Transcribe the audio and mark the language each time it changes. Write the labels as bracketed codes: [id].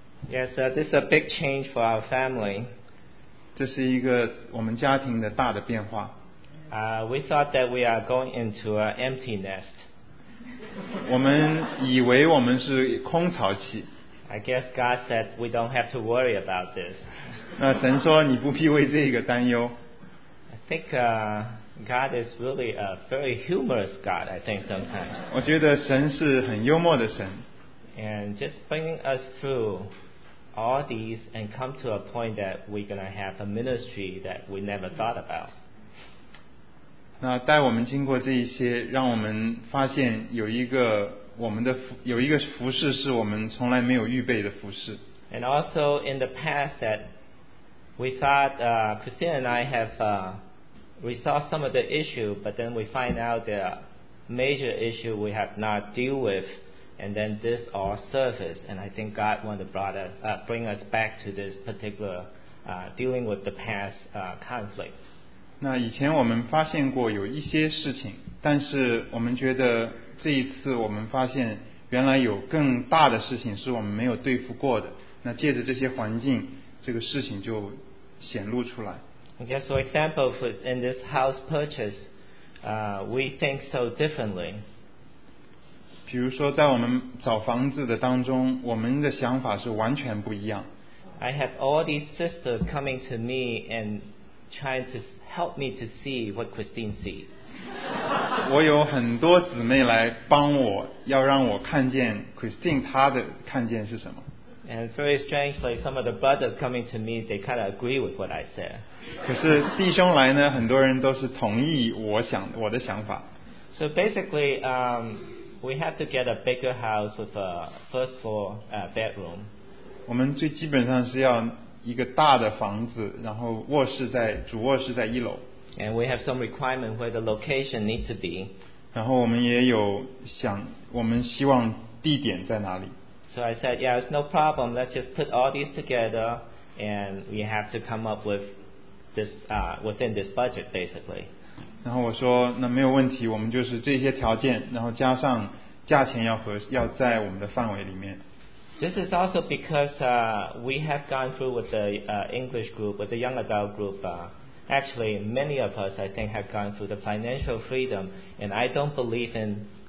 [en] Yes, this is a big change for our family. [zh] 这是一个我们家庭的大的变化。 [en] We thought that we are going into an empty nest. [zh] 我们以为我们是空巢期。 [en] I guess God said we don't have to worry about this. [zh] 那神说你不必为这个担忧。 [en] I think God is really a very humorous God, I think sometimes. [zh] 我觉得神是很幽默的神。 [en] And just bringing us through all these and come to a point that we're going to have a ministry that we never thought about. [zh] 那带我们经过这一些，让我们发现有一个我们的有一个服事是我们从来没有预备的服事。 [en] And also in the past that we thought Christine and I have resolved some of the issue, but then we find out the major issue we have not deal with, and then this all surfaced, and I think God wanted to bring us back to this particular dealing with the past conflict. [zh] 那以前我们发现过有一些事情，但是我们觉得这一次我们发现原来有更大的事情是我们没有对付过的，那借着这些环境，这个事情就显露出来。 [en] I guess, for example, in this house purchase, we think so differently. [zh] 比如说在我们找房子的当中，我们的想法是完全不一样。 [en] I have all these sisters coming to me and trying to help me to see what Christine sees. [zh] 我有很多姊妹来帮我，要让我看见 Christine 她的看见是什么。 [en] And very strangely, some of the brothers coming to me, they kind of agree with what I said. [zh] 可是弟兄来呢，很多人都是同意我想我的想法。 [en] So basically, we have to get a bigger house with a first floor bedroom. [zh] 我们最基本上是要一个大的房子，然后卧室在主卧室在一楼。 [en] And we have some requirement where the location needs to be. [zh] 然后我们也有想，我们希望地点在哪里。 [en] So I said, yeah, it's no problem. Let's just put all these together, and we have to come up with this within this budget, basically. [zh] 然后我说，那没有问题，我们就是这些条件，然后加上价钱要合，要在我们的范围里面。 [en] This is also because we have gone through with the English group, with the young adult group. Actually, many of us, I think, have gone through the financial freedom, and I don't believe in.